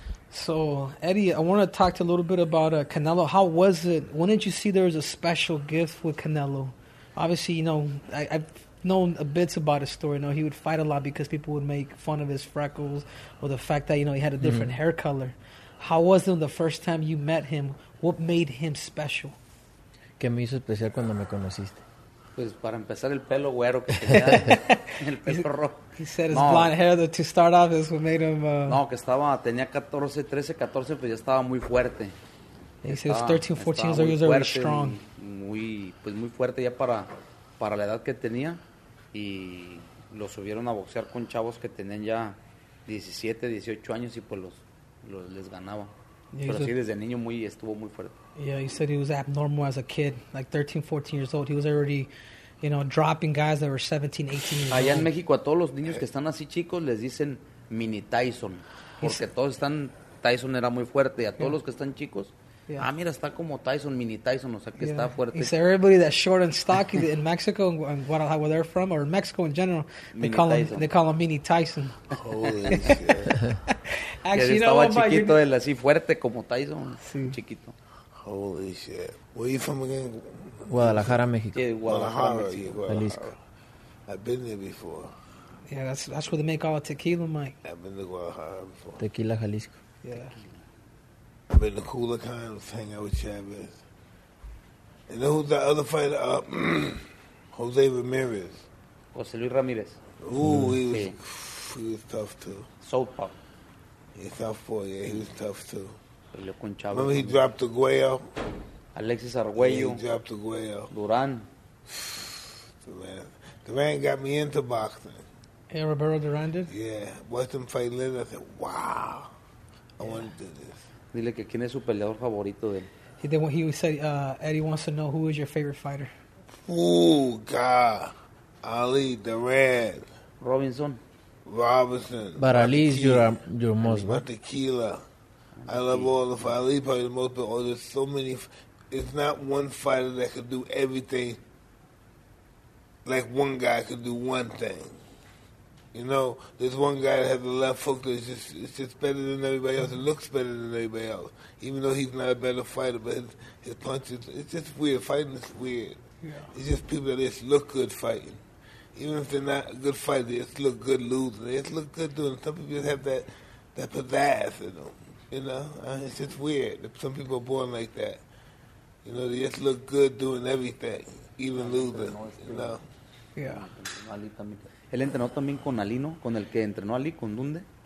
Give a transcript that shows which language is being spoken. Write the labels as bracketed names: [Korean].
[English] So, Eddie, I want to talk to you a little bit about Canelo. How was it? When did you see there was a special gift with Canelo? Obviously, you know, I've known a bit about his story. You know, he would fight a lot because people would make fun of his freckles or the fact that, you know, he had a different hair color. How was it the first time you met him? What made him special? [Spanish] ¿Qué me hizo especial cuando me conociste? Pues para empezar, el pelo güero que tenía, el pelo rojo. [English] He said his blonde hair, to start off, is what made him... [Spanish] tenía 13, 14, pues ya estaba muy fuerte. [English] He said he was 13, 14 years old, he was already strong. [Spanish] Muy fuerte ya para la edad que tenía. Y lo subieron a boxear con chavos que tenían ya 17, 18 años y pues los les ganaba. Pero sí, desde niño estuvo muy fuerte. [English] Yeah, he said he was abnormal as a kid, like 13, 14 years old. He was already, you know, dropping guys that were 17, 18 years old. [Spanish] Allá en México a todos los niños que están así chicos les dicen mini Tyson. Porque todos están, Tyson era muy fuerte. Y a todos los que están chicos, mira, está como Tyson, mini Tyson, o sea que está fuerte. [English] He said everybody that's short and stocky in Mexico and Guadalajara where they're from, or in Mexico in general, they call him mini Tyson. Holy shit. [Spanish] Actually, estaba chiquito, él así fuerte como Tyson, chiquito. [English] Holy shit. Where are you from again? Guadalajara, Mexico. Yeah, Guadalajara, Mexico. Jalisco. I've been there before. Yeah, that's where they make all the tequila, Mike. I've been to Guadalajara before. Tequila, Jalisco. Yeah. I've been to Culiacan, hanging out with Chavez. You know who's the other fighter? Jose Ramirez. Jose Luis Ramirez. Ooh, he was tough, too. Southpaw. Yeah, southpaw, yeah, he was tough, too. [Spanish] Con Chavo. [English] Remember he dropped Arguello? Alexis Arguello. Yeah, he dropped Arguello. Duran. Duran got me into boxing. Yeah, Roberto Duran did? Yeah. Watched him fight later. I said, wow. I want to do this. [Spanish] Dile que quién es su peleador favorito de él. [English] He said, Eddie wants to know who is your favorite fighter. Ooh, God. Ali, Duran. Robinson. But Ali is your most. But Tequila. I love all the fighters. Ali's probably the most, but there's so many. It's not one fighter that could do everything like one guy could do one thing. You know, there's one guy that has the left hook that's just better than everybody else. It looks better than everybody else. Even though he's not a better fighter, but his punches, it's just weird. Fighting is weird. Yeah. It's just people that just look good fighting. Even if they're not a good fighter, they just look good losing. They just look good doing it. Some people just have that pizzazz in them. You know, it's just weird. Some people are born like that. You know, they just look good doing everything, even losing, you know. Yeah. [Spanish] ¿Él entrenó también con Ali, no? ¿Con el que entrenó Ali, con Dunde?